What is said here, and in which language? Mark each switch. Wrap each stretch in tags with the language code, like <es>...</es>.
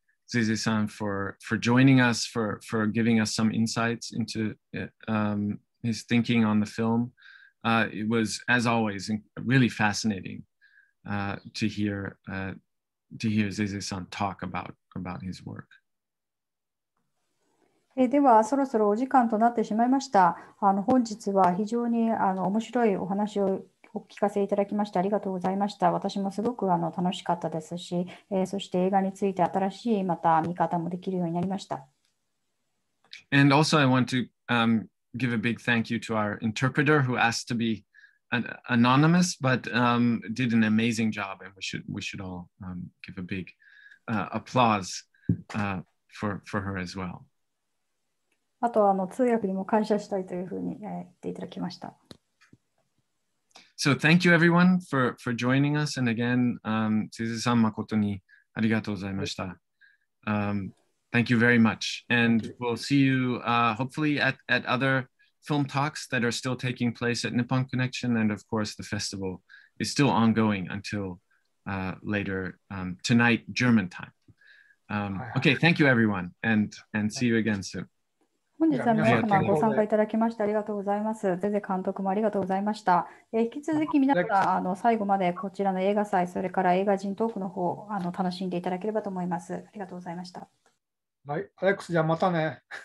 <en>Zizi-san for joining us, for giving us some insights into his thinking on the film. It was, as always, really fascinating to hear Zizi-san talk about his work.</en> <ja>ではそろそろお時間となってしまいました。本日は非常に面白いお話をお聞かせいただきましてありがとうございました。私もすごく楽しかったですし、そして映画について新しいまた見方もできるようになりました。</ja> <en>And also I want to give a big thank you to our interpreter who asked to be anonymous, but did an amazing job, and we should all give a big applause for her as well.</en> <ja>あと通訳にも感謝したいというふうに言っていただきました。</ja> <en>So thank you everyone for joining us. And again, Zizi-san,</en> <ja>誠にありがとうございました。</ja> <en>Thank you very much. And we'll see you hopefully at other film talks that are still taking place at Nippon Connection. And of course, the festival is still ongoing until later tonight, German time. Okay, thank you everyone. And see you again soon.</en> <ja>本日は皆様ご参加いただきましてありがとうございます。ゼゼ監督もありがとうございました。引き続き皆さん最後までこちらの映画祭、それから映画人トークの方楽しんでいただければと思います。ありがとうございました。はい、アレックス、じゃあまたね。</ja>